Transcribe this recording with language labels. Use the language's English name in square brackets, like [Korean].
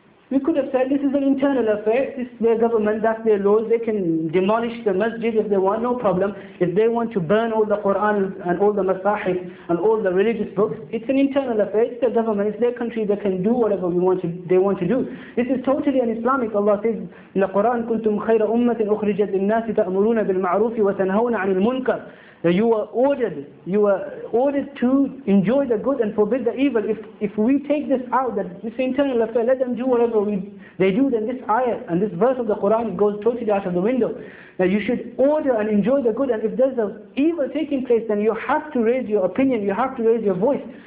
[English] We could have said this is an internal affair, this is their government, that's their laws, they can demolish the masjid if they want, no problem. If they want to burn all the Quran and all the masahif and all the religious books, it's an internal affair, it's their government, it's their country, they can do whatever they want to do. This is totally an Islamic. [Arabic] Allah says in the Quran, كُنْتُمْ خَيْرَ أُمَّةٍ أُخْرِجَتْ لِلنَّاسِ تَأْمُرُونَ بِالْمَعْرُوفِ وَتَنْهَوْنَ عَنِ الْمُنْكَرِ. [English] That you are ordered to enjoy the good and forbid the evil. If we take this out, that this internal affair, let them do whatever they do, then this ayah and this verse of the Quran goes totally out of the window. That you should order and enjoy the good, and if there's an evil taking place, then you have to raise your opinion, you have to raise your voice.